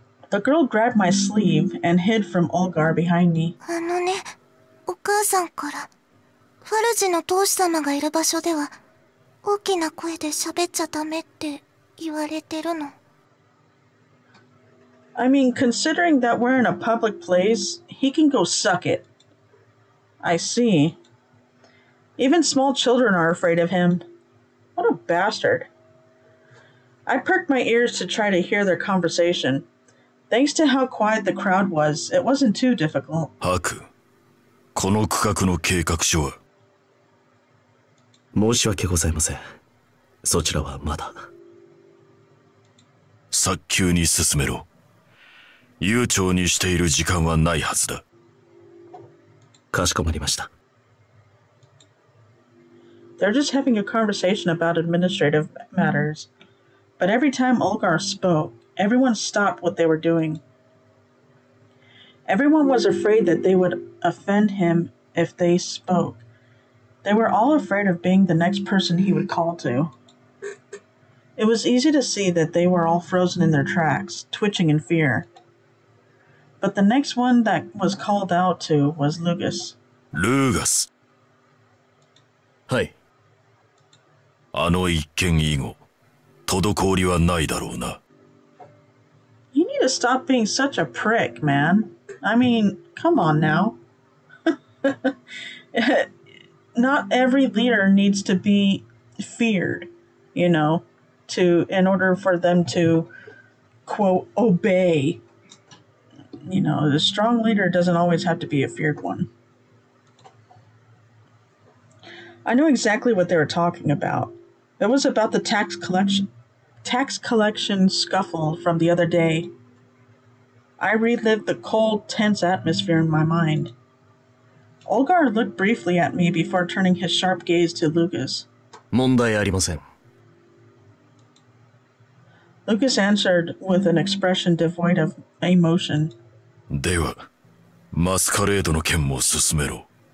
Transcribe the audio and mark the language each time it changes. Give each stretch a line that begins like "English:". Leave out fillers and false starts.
English: The girl grabbed my sleeve and hid from Olgar behind me.
Japanese: あのね、お母さんから。ファルジの当主様がいる場所では、大きな声で喋っちゃダメって言われてるの。
English: I mean, considering that we're in a public place, he can go suck it. I see. Even small children are afraid of him. What a bastard. I perked my ears to try to hear their conversation. Thanks to how quiet the crowd was, it wasn't too difficult.
Japanese: ハク、この区画の計画書は？申し訳ございません。そちらはまだ。早急に進めろ。悠長にしている時間はないはずだ。かしこまりました。
English: They're just having a conversation about administrative matters. But every time Olgar spoke, everyone stopped what they were doing. Everyone was afraid that they would offend him if they spoke. They were all afraid of being the next person he would call to. It was easy to see that they were all frozen in their tracks, twitching in fear. But the next one that was called out to was Lucas. Lucas! Hi.
Japanese: あの一件以後、滞りはないだろうな。
English: You need to stop being such a prick, man. I mean, come on now. Not every leader needs to be feared, you know, to, in order for them to, quote, obey. You know, a strong leader doesn't always have to be a feared one. I know exactly what they were talking about. It was about the tax collection scuffle from the other day. I relived the cold, tense atmosphere in my mind. Olgar looked briefly at me before turning his sharp gaze to Lucas.
Japanese: 問題ありません。
English: Lucas answered with an expression devoid of emotion.
Japanese: では、マスカレードの件も進めろ。